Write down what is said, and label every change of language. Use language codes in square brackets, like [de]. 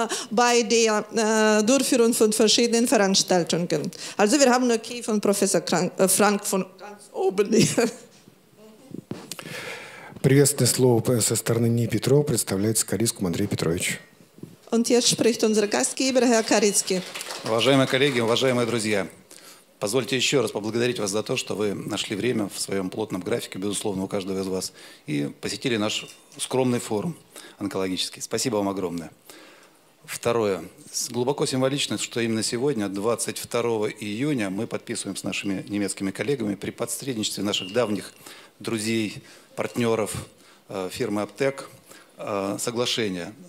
[de] bei der Durchführung von verschiedenen Veranstaltungen. Also wir haben okay von Professor Frank von ganz oben hier. [ru] Приветственное слово со стороны НИИ Петрова представляет Корицкому Андрей Петрович. [de] Und jetzt spricht unser Gastgeber, Herr Korizki. [ru] Уважаемые коллеги, уважаемые друзья, позвольте еще раз поблагодарить вас за то, что вы нашли время в своем плотном графике, безусловно, у каждого из вас, и посетили наш скромный форум онкологический. Спасибо вам огромное. Второе. Глубоко символично, что именно сегодня, 22 июня, мы подписываем с нашими немецкими коллегами при посредничестве наших давних друзей, партнеров фирмы «Аптек» соглашение.